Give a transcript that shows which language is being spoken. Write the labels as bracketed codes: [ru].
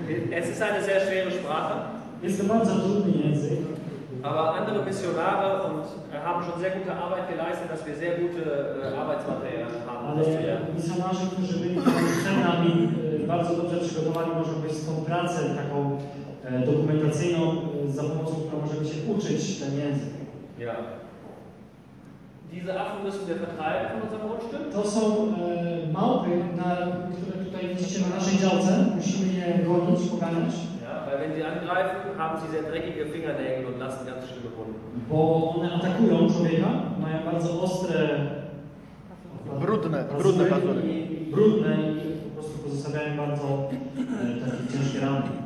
[de] Es ist eine sehr schwere Sprache. Ist ein ganz [pl] trudny język. [de] Aber andere Missionare und haben schon sehr gute Arbeit geleistet, dass wir sehr gute Arbeitsmaterialien haben. [pl] Ale misjonarze, którzy byli bardzo dobrze przygotowani, może być tą pracę taką dokumentacyjną, za pomocą której możemy się uczyć ten język. [de] Ja. Diese Affen müssen wir vertreiben von unserem Grundstück. [pl] To są małpy, które tutaj widzicie na naszej działce. Musimy je gonić, poganiać. [de] Ja, weil wenn sie angreifen, haben sie sehr dreckige Fingernägel und lassen ganz schlimme Wunden. [pl] Bo one atakują człowieka, mają bardzo ostre... Brudne pazury. Brudne i po prostu pozostawiają bardzo takie ciężkie rany.